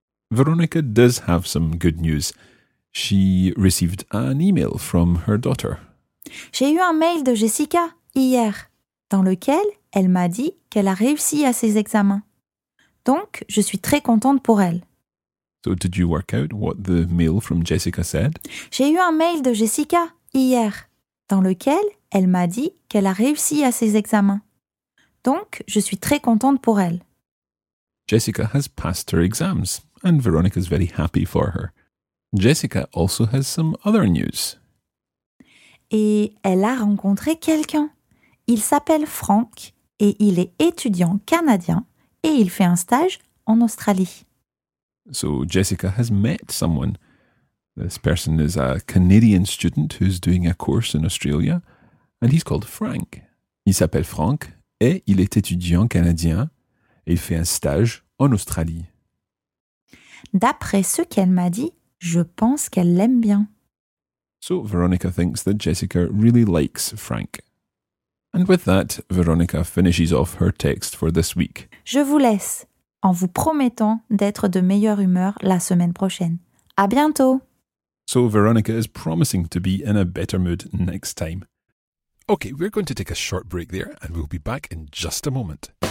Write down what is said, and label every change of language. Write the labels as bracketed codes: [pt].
[en] Veronica does have some good news. She received an email from her daughter. [fr] J'ai eu un mail de Jessica hier, dans lequel elle m'a dit qu'elle a réussi à ses examens. Donc, je suis très contente pour elle. [en] So did you work out what the mail from Jessica said? [fr] J'ai eu un mail de Jessica hier, dans lequel elle m'a dit qu'elle a réussi à ses examens. Donc, je suis très contente pour elle. [en] Jessica has passed her exams, and Veronica is very happy for her. Jessica also has some other news. [fr] Et elle a rencontré quelqu'un. Il s'appelle Frank et il est étudiant canadien et il fait un stage en Australie. [en] So Jessica has met someone. This person is a Canadian student who's doing a course in Australia and he's called Frank. [fr] Il s'appelle Frank et il est étudiant canadien et il fait un stage en Australie. D'après ce qu'elle m'a dit, je pense qu'elle l'aime bien. [en] So Veronica thinks that Jessica really likes Frank. And with that, Veronica finishes off her text for this week. [fr] Je vous laisse, en vous promettant d'être de meilleure humeur la semaine prochaine. À bientôt! [en] So Veronica is promising to be in a better mood next time. Okay, we're going to take a short break there and we'll be back in just a moment.